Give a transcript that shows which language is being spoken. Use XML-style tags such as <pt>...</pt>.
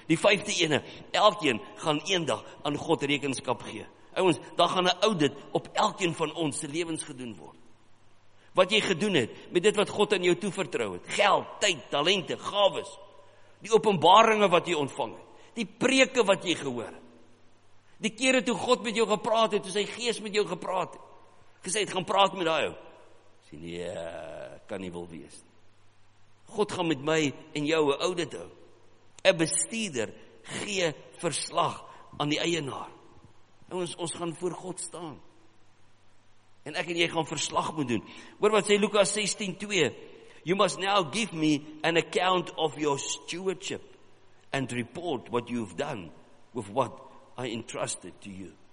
<af>Die 5de ene, elkeen gaan eendag aan God rekenskap gee. Ouens, daar gaan 'n audit op elkeen van ons se lewens gedoen word. Wat jy gedoen het, met dit wat God aan jou toevertrou het, geld, tyd, talente, gawes, die openbaringe wat jy ontvang het, die preke wat jy gehoor het, die kere toe God met jou gepraat het, toe sy gees met jou gepraat het, gesê het, gaan praat met jou, sê nie, kan nie wil wees. God gaan met my en jou een audit hou, een bestuurder gee verslag aan die eienaar, en ons gaan voor God staan, en ek en jy gaan verslag moet doen. Hoor wat sê Lukas 16:2,</af> <en>you must now give me an account of your stewardship and report what you've done with what I entrusted to you.</en>